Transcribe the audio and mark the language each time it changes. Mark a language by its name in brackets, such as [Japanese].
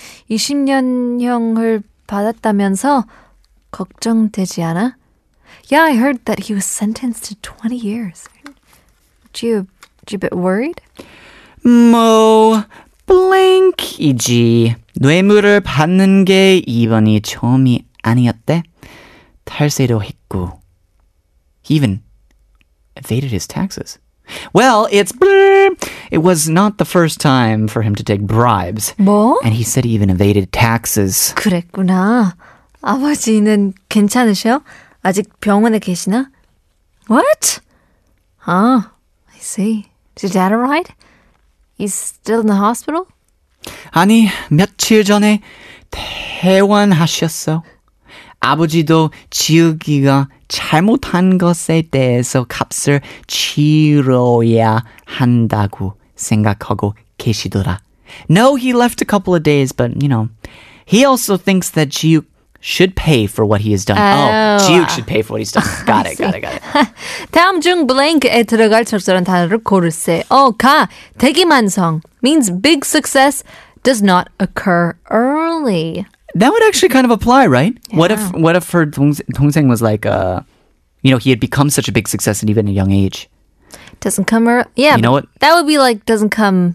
[Korean] 20년형을 받았다면서 걱정되지 않아? [English] Yeah, I heard that he was sentenced to 20 years. Are you a bit worried? [Korean] 뭐, blank이지. 뇌물을 받는 게 이번이 처음이 아니었대. 탈세도 했고, [English] he even evaded his taxes. Well, it was not the first time for him to take bribes. [Korean] 뭐? [English] And he said he even evaded taxes. [Korean] 그랬구나. 아버지는 괜찮으셔? 아직 병원에 계시나? [English] What? Ah, I see. Is your dad alright? He's still in the hospital? [Korean] 아니, 며칠 전에 퇴원하셨어. 아버지도 지우기가 잘못한 것에 대해서 값을 치러야 한다고 생각하고 계시더라. [English] No, he left a couple of days, but, you know, he also thinks that Jiuk should pay for what he has done. Jiuk should pay for what he's done. Got it. [Korean] 다음 중 blank에 들어갈 적절한 단어를 고르세요. [English] 가, 대기만성 means big success does not occur early. That would actually kind of apply, right? Yeah. What if her 동생 was like, you know, he had become such a big success at even a young age? Doesn't come early. Yeah. You know what? That would be like, doesn't come.